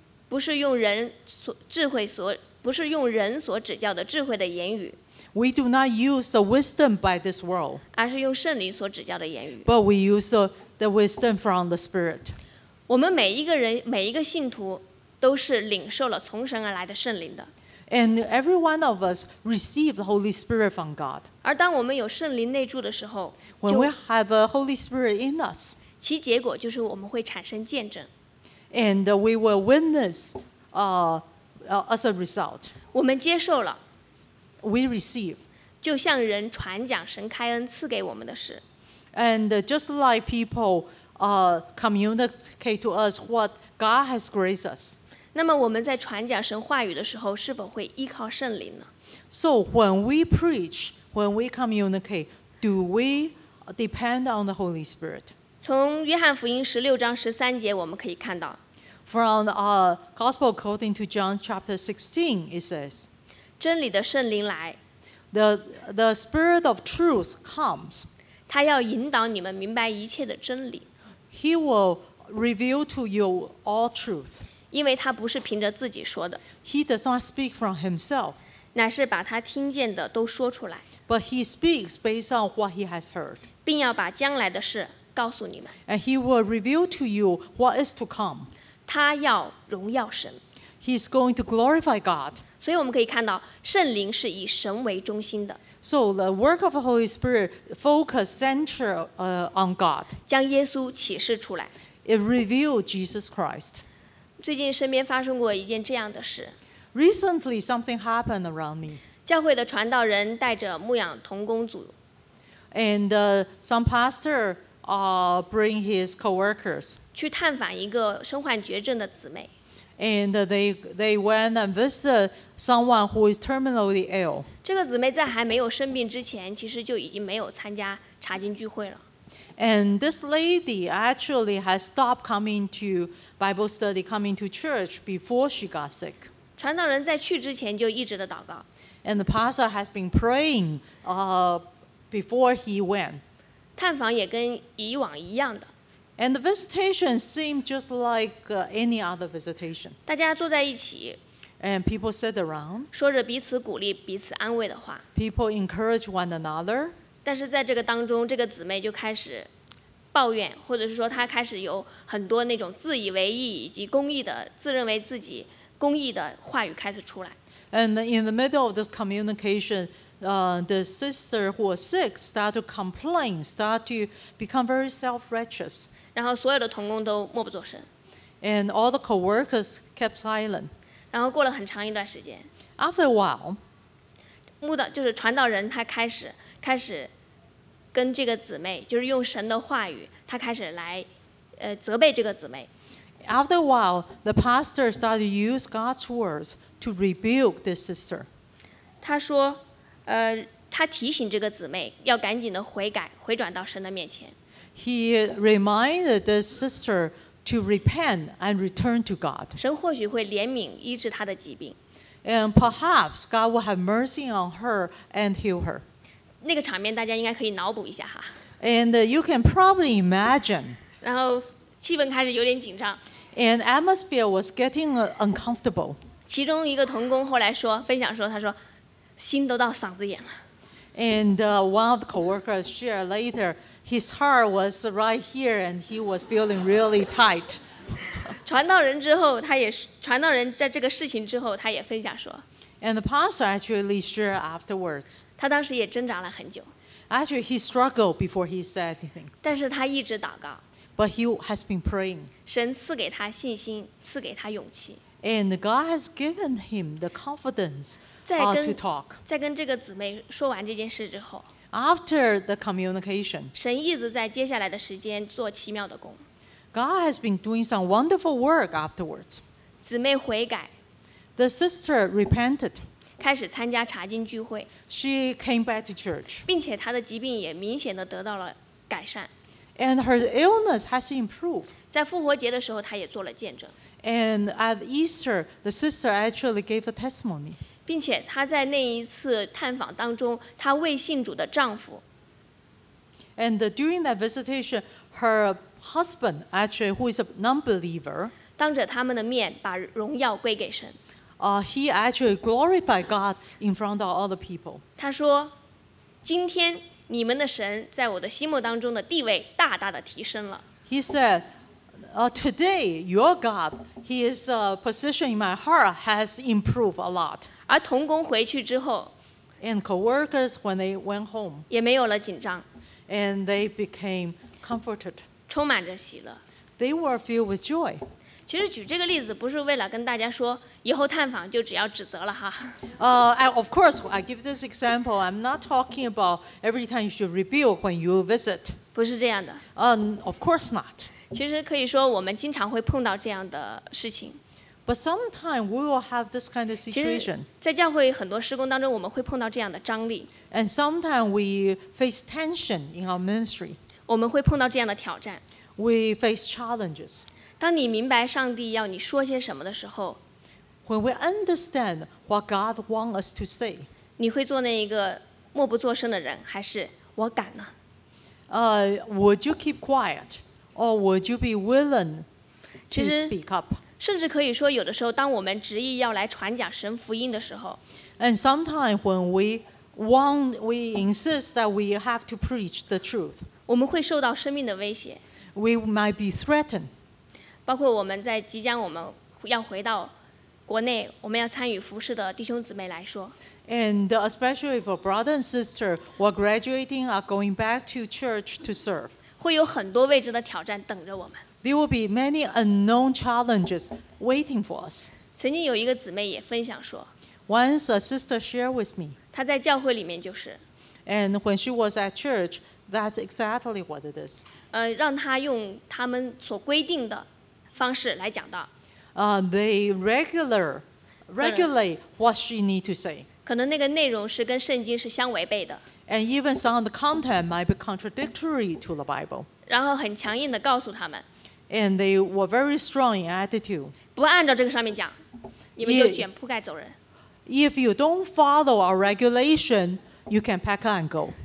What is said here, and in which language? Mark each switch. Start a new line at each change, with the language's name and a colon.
Chinese: 不是用人所指教的智慧的言语
English: We do not use the wisdom by this world
Chinese: 而是用圣灵所指教的言语
English: But we use the wisdom from the Spirit
Chinese: 我们每一个人每一个信徒都是领受了从神而来的圣灵的
English: And every one of us receive the Holy Spirit from God.
Chinese: 而当我们有圣灵内住的时候
English: When we have a Holy Spirit in us,
Chinese: 其结果就是我们会产生见证。
English: And we will witness as a result.
Chinese: 我们接受了。
English: We receive.
Chinese: 就像人传讲神开恩赐给我们的事。
English: And just like people communicate to us what God has graced us.
Chinese: 那么我们在传讲神话语的时候是否会依靠圣灵呢?
English: So when we preach, when we communicate, do we depend on the Holy Spirit?
Chinese: 从约翰福音十六章十三节我们可以看到。
English: From the Gospel according to John chapter 16, it says,
Chinese: 真理的圣灵来。
English: The Spirit of truth comes.
Chinese: 他要引导你们明白一切的真理。
English: He will reveal to you all truth.
Chinese: 因为他不是凭着自己说的。
English: He does not speak from himself.
Chinese: 乃是把他听见的都说出来。
English: But he speaks based on what he has heard.
Chinese: 并要把将来的事告诉你们。
English: And he will reveal to you what is to come.
Chinese: 他要荣耀神。
English: He is going to glorify God.
Chinese: 所以我们可以看到，圣灵是以神为中心的。
English: So the work of the Holy Spirit focuses center on God.
Chinese: 将耶稣启示出来。
English: It revealed Jesus Christ.
Chinese: 最近身边发生过一件这样的事。
English: Recently, something happened around me.
Chinese: 教会的传道人带着牧养同工组。
English: And some pastor bring his co-workers.
Chinese: 去探访一个身患绝症的姊妹。
English: And they went and visited someone who is terminally ill.
Chinese: 这个姊妹在还没有生病之前，其实就已经没有参加查经聚会了。
English: And this lady actually has stopped coming to Bible study, coming to church before she got sick.
Chinese: 传道人在去之前就一直的祷告。
English: And the pastor has been praying before he went.
Chinese: 探访也跟以往一样的。
English: And the visitation seemed just like any other visitation.
Chinese: 大家坐在一起。
English: And people sit around.
Chinese: 说着彼此鼓励、彼此安慰的话。
English: People encourage one another.
Chinese: 但是在这个当中，这个姊妹就开始抱怨，或者是说她开始有很多那种自以为意以及公义的、自认为自己公义的话语开始出来。
English: And in the middle of this communication, the sister who was sick started to complain, started to become very self-righteous.
Chinese: 然后所有的同工都默不作声。
English: And all the co-workers kept silent.
Chinese: 然后过了很长一段时间。
English: After a while,
Chinese: 牧道就是传道人，他开始跟这个姊妹，就是用神的话语，他开始来责备这个姊妹。
English: After a while, the pastor started to use God's words to rebuke this sister.
Chinese: 他说。他提醒这个姊妹要赶紧的悔改，回转到神的面前。
English: He reminded the sister to repent and return to God.
Chinese: 神或许会怜悯医治她的疾病。
English: And perhaps God will have mercy on her and heal her.
Chinese: 那个场面大家应该可以脑补一下哈。
English: And you can probably imagine.
Chinese: 然后气氛开始有点紧张。
English: And atmosphere was getting uncomfortable.
Chinese: 其中一个同工后来说，分享说，他说。心都到嗓子眼了。
English: And one of the co-workers shared later, his heart was right here, and he was feeling really tight.
Chinese: 传道人之后，他也传道人在这个事情之后，他也分享说。
English: And the pastor actually shared afterwards.
Chinese: 他当时也挣扎了很久。
English: Actually, he struggled before he said anything.
Chinese: 但是他一直祷告。
English: But he has been praying.
Chinese: 神赐给他信心，赐给他勇气。
English: And God has given him the confidence to talk.
Chinese: 在跟这个姊妹说完这件事之后
English: After the communication,
Chinese: 神一直在接下来的时间做奇妙的工。
English: God has been doing some wonderful work afterwards.
Chinese: 姊妹悔改。
English: The sister repented.
Chinese: 开始参加查经聚会。
English: She came back to church.
Chinese: 并且她的疾病也明显地得到了改善。
English: And her illness has improved.
Chinese: 在复活节的时候，她也做了见证。
English: And at Easter, the sister actually gave a testimony.
Chinese: 并且她在那一次探访当中，她未信主的丈夫。
English: And during that visitation, her husband actually, who is a non-believer,
Chinese: 当着他们的面把荣耀归给神。
English: He actually glorified God in front of all the people.
Chinese: 他说，今天你们的神在我的心目当中的地位大大的提升了。
English: He said, today, your God, his position in my heart has improved a lot.
Chinese: 而同工回去之后,
English: and co-workers, when they went home,
Chinese: 也没有了紧张,
English: and they became comforted.
Chinese: 充满着喜乐。
English: They were filled with joy.
Chinese: 其实举这个例子不是为了跟大家说以后探访就只要指责了哈。
English: Of course, I give this example. I'm not talking about every time you should rebuild when you visit.
Chinese: 不是这样的。
English: Of course not.
Chinese: 其实可以说我们经常会碰到这样的事情。
English: But sometimes we will have this kind of situation.
Chinese: 在教会很多施工当中我们会碰到这样的张力。
English: And sometimes we face tension in our ministry.
Chinese: 我们会碰到这样的挑战。
English: We face challenges.
Chinese: 当你明白上帝要你说些什么的时候
English: ，When we understand what God wants us to say，
Chinese: 你会做那一个默不作声的人，还是我敢呢？
English: Would you keep quiet, or would you be willing to speak up？
Chinese: 甚至可以说，有的时候，当我们执意要来传讲神福音的时候
English: ，And sometimes when we insist that we have to preach the truth，
Chinese: 我们会受到生命的威胁。
English: We might be threatened.
Chinese: 包括我们在即将我们要回到国内，我们要参与服事的弟兄姊妹来说。
English: And especially if a brother and sister were graduating or going back to church to serve.
Chinese: 会有很多未知的挑战等着我们。
English: There will be many unknown challenges waiting for us.
Chinese: 曾经有一个姊妹也分享说。
English: Once a sister shared with me.
Chinese: 她在教会里面就是。
English: And when she was at church, that's exactly what it is.
Chinese: 让他用他们所规定的方式来讲道。
English: They regulate what she need to say.
Chinese: 可能那个内容是跟圣经是相违背的。
English: And even some of the content might be contradictory to the Bible.
Chinese: 然后很强硬地告诉他们。
English: And they were very strong in attitude.
Chinese: 不按照这个上面讲，你们就卷铺盖走人。
English: If you don't follow our regulation, you can pack up and go.